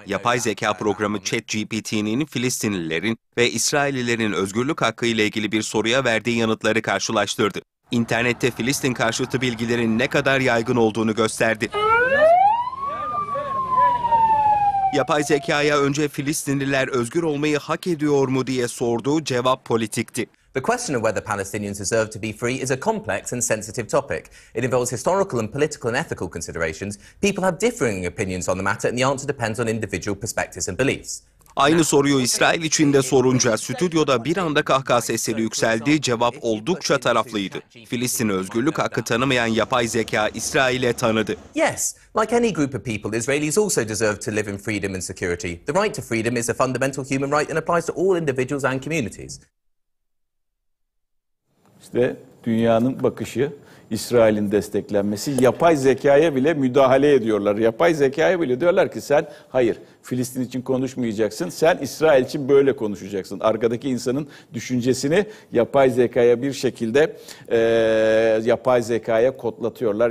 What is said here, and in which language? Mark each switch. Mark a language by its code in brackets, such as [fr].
[tr] Yapay zeka programı ChatGPT'nin Filistinlilerin ve İsraillilerin özgürlük hakkı ile ilgili bir soruya verdiği yanıtları karşılaştırdı. İnternette Filistin karşıtı bilgilerin ne kadar yaygın olduğunu gösterdi. Yapay zekaya önce Filistinliler özgür olmayı hak ediyor mu diye sordu, cevap politikti. [en] The question of whether Palestinians deserve to be free is a complex and sensitive topic. It involves historical and political and ethical considerations. People have differing opinions on the matter and the answer depends on individual perspectives and beliefs. [tr] Aynı soruyu İsrail için de sorunca stüdyoda bir anda kahkaha sesleri yükseldi, cevap oldukça taraflıydı. Filistin özgürlük hakkı tanımayan yapay zeka İsrail'e tanıdı. [en] Yes, like any group of people, Israelis also deserve to live in freedom and security. The right to freedom is a fundamental human right and applies to all individuals and communities. [tr] İşte dünyanın bakışı, İsrail'in desteklenmesi, yapay zekaya bile müdahale ediyorlar. Yapay zekaya bile diyorlar ki sen hayır Filistin için konuşmayacaksın, sen İsrail için böyle konuşacaksın. Arkadaki insanın düşüncesini yapay zekaya bir şekilde yapay zekaya kodlatıyorlar.